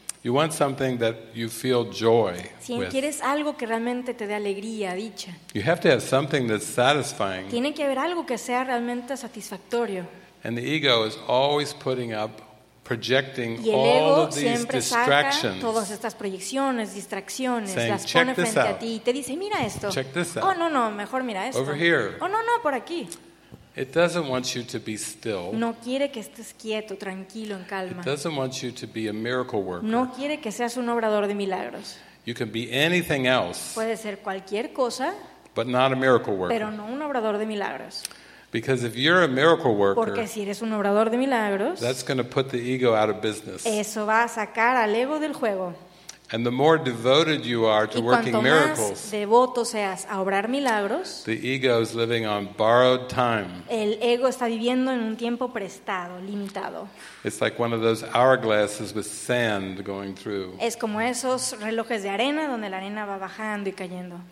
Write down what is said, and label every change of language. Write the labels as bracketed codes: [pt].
[en] You want something that you feel joy [es] si quieres [en] with. [es] Algo que realmente te dé alegría, dicha. [en] You have to have something that's satisfying. [es] Tiene que haber algo que sea realmente satisfactorio. [en] And the ego is always putting up, projecting [es] y el ego [en] all of these distractions. [es] Saca todas estas proyecciones, distracciones, [en] saying, [es] las pone frente a ti y te dice, mira esto. [en] Check this out. [es] Oh, no, no, mejor mira esto. [en] Over here. [es] Oh, no, no, por aquí. [en] It doesn't want you to be still. [es] No quiere que estés quieto, tranquilo, en calma. [en] It doesn't want you to be a miracle worker. [es] No quiere que seas un obrador de milagros. [en] You can be anything else. [es] Puede ser cualquier cosa. [en] But not a miracle worker. [es] Pero no un obrador de milagros. [en] Because if you're a miracle worker. [es] Porque si eres un obrador de milagros. [en] That's going to put the ego out of business. [es] Eso va a sacar al ego del juego. [en] And the more devoted you are to working miracles, [es] y cuanto más devoto seas a obrar milagros, [en] the ego is living on borrowed time. [es] El ego está viviendo en un tiempo prestado, limitado. [en] It's like one of those hourglasses with sand going through. [es] Es como esos relojes de arena donde la arena va bajando y cayendo.